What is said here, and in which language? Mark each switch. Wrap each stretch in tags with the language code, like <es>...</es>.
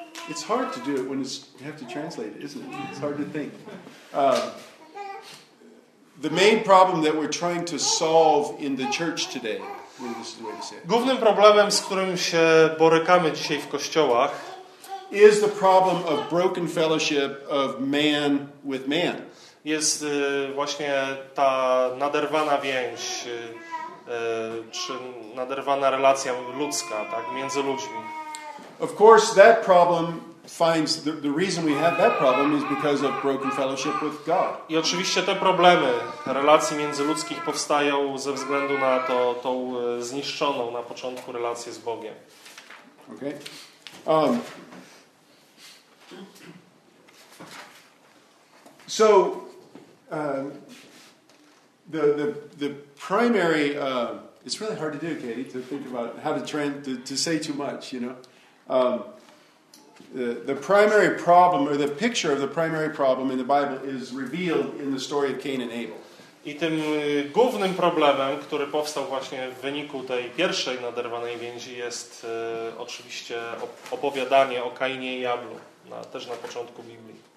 <en>It's hard to do it when you have to translate it, isn't it? It's hard to think. The main problem that we're trying to solve in the church today.</en> <pl>Głównym problemem, z którym się borykamy dzisiaj w kościołach,</pl> <en>is the problem of broken fellowship of man with man.</en> <pl>Jest właśnie ta naderwana więź, czy naderwana relacja ludzka, tak, między ludźmi.</pl> <en>Of course, that problem finds the reason we have that problem is because of broken fellowship with God.</en> <pl>I oczywiście te problemy relacji międzyludzkich powstają ze względu na to, tą zniszczoną na początku relację z Bogiem.</pl> <en>Okay. The primary it's really hard to do, Katie, to think about how to train to say too much, you know. The primary problem or the picture of the primary problem in the Bible is revealed in the story of Cain and Abel.</en> <pl>I tym głównym problemem, który powstał właśnie w wyniku tej pierwszej naderwanej więzi, jest oczywiście opowiadanie o Kainie i Ablu, też na początku Biblii.</pl>